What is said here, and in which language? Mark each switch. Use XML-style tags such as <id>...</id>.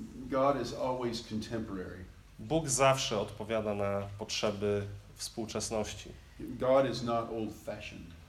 <en>God is always contemporary.</en> <pl>Bóg zawsze odpowiada na potrzeby współczesności.</pl> <en>God is not old fashioned.</en>